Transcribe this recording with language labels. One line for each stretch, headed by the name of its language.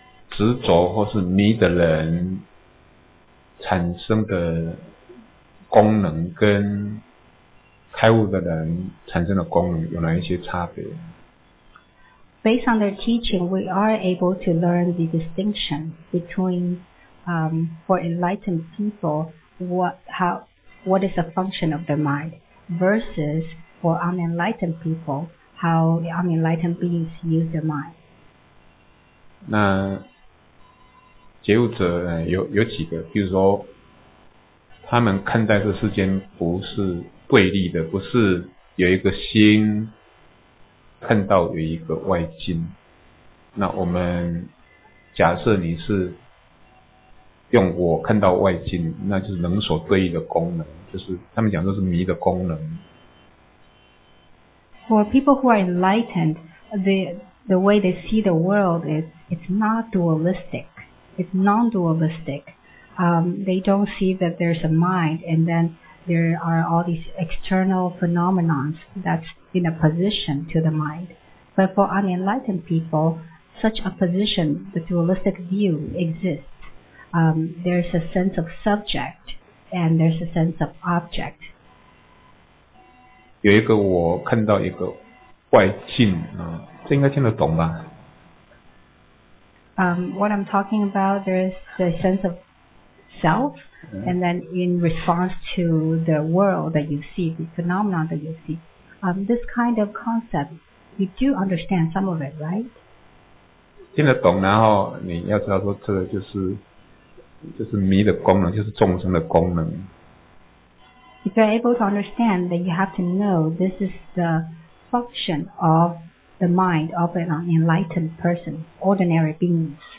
Chinese: 执着或是迷的人产生的功能跟开悟的人产生的功能有哪一些差别？
English: Based on their teaching, we are able to learn the distinction between, for enlightened people, what is the function of their mind versus for unenlightened people, how the unenlightened beings use their mind.
Chinese: 那觉悟者有几个，比如说他们看待这世间不是对立的，不是有一个心看到有一个外境。那我们假设你是用我看到外境，那就是能所对立的功能，就是他们讲这是迷的功能。
English: For people who are enlightened, the way they see the world is it's not dualistic. It's non-dualistic. They don't see that there's a mind and then there are all these external phenomena that's in opposition to the mind. But for unenlightened people, such opposition, the dualistic view exists. There's a sense of subject and there's a sense of object.
Chinese: 有一个我看到一个外境，这应该听得懂吧？
English: What I'm talking about, there is the sense of self, and then in response to the world that you see, the phenomena that you see. This kind of concept, you do understand some of it, right?
Chinese: 听得懂，然后你要知道说这个就是迷的功能，就是众生的功能。
English: If you're able to understand, then you have to know this is the function of. The mind of an enlightened person, ordinary beings.